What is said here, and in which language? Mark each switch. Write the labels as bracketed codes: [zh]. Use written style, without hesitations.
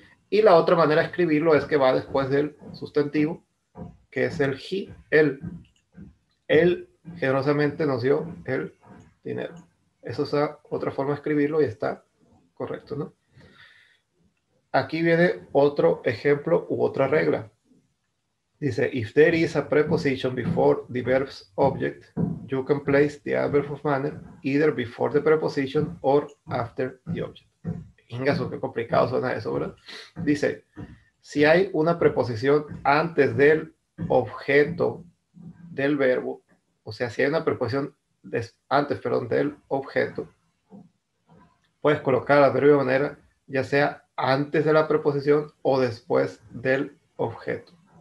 [es] Y la otra manera de escribirlo es que va después del sustantivo, que es el he, él. Él generosamente nos dio el dinero. Esa es otra forma de escribirlo y está correcto, ¿no? Aquí viene otro ejemplo u otra regla. Dice, [en] if there is a preposition before the verb's object, you can place the adverb of manner either before the preposition or after the object. [es] Ingaso, qué complicado suena eso, ¿verdad? Dice, si hay una preposición antes del objeto del verbo, o sea, si hay una preposición antes, perdón, del objeto, puedes colocar el adverbio de manera ya sea antes de la preposición o después del objeto.